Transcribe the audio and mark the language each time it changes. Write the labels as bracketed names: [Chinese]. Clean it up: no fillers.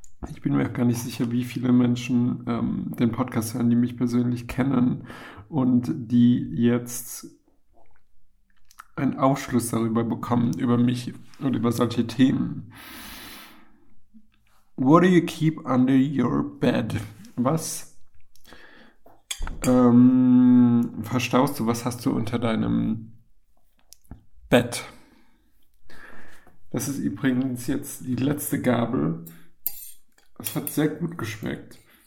[German] Ich bin mir auch gar nicht sicher, wie viele Menschen den Podcast hören, die mich persönlich kennen und die jetzt einen Aufschluss darüber bekommen, über mich und über solche Themen. [English] What do you keep under your bed? [German] Was verstaust du? Was hast du unter deinem Bett? Das ist übrigens jetzt die letzte Gabel. Es hat sehr gut geschmeckt.